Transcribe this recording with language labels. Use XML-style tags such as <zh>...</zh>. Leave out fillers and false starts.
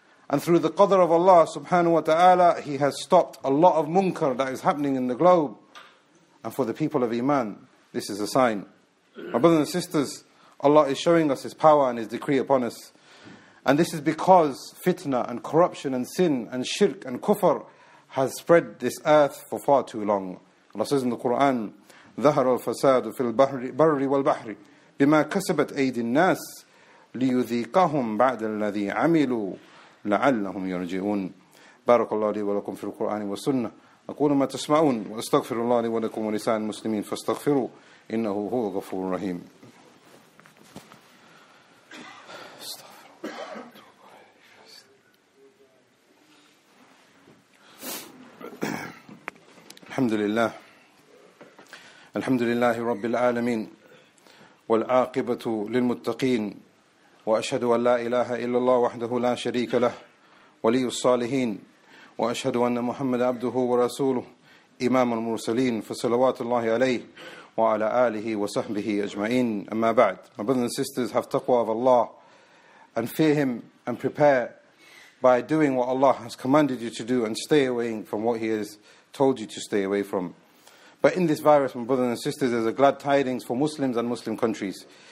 <en>And through the Qadr of Allah subhanahu wa ta'ala, he has stopped a lot of munkar that is happening in the globe. And for the people of Iman, this is a sign. My brothers and sisters, Allah is showing us his power and his decree upon us. And this is because fitna and corruption and sin and shirk and kufr has spread this earth for far too long. Allah says in the Quran,</en> <ar>ذَهَرَ الْفَسَادُ فِي الْبَرِّ وَالْبَحْرِ بِمَا كَسَبَتْ أَيْدِ النَّاسِ لِيُذِيقَهُمْ بَعْدَ الَّذِي عَمِلُوا لَعَلَّهُمْ يَرْجِعُونَ. بَارَكَ اللَّهُ لِي وَلَكُمْ فِي الْقُرْآنِ وَالسُّنَّةِ أقول ما تسمعون وأستغفر الله لي ولكم ولسائر المسلمين فاستغفروا إنه هو غفور رحيم. الحمد لله الحمد لله رب العالمين والعاقبة للمتقين وأشهد أن لا إله إلا الله وحده لا شريك له ولي الصالحين وأشهد أن محمد عبده ورسوله إمام المرسلين فصلوات الله عليه وعلى آله وصحبه أجمعين. أما بعد,</ar> <en>my brothers and sisters, have taqwa of Allah and fear him and prepare by doing what Allah has commanded you to do and stay away from what he has told you to stay away from. But in this virus, my brothers and sisters, there's a glad tidings for Muslims and Muslim countries.</en>